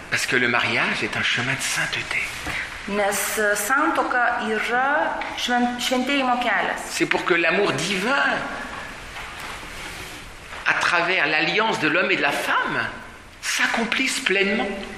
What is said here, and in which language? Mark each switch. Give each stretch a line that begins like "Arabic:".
French: Parce que le mariage est un chemin de sainteté.
Lithuanian: Nes santoka yra šventėjimo kelias.
French: C'est pour que l'amour divin, à travers l'alliance de l'homme et de la femme, s'accomplisse pleinement.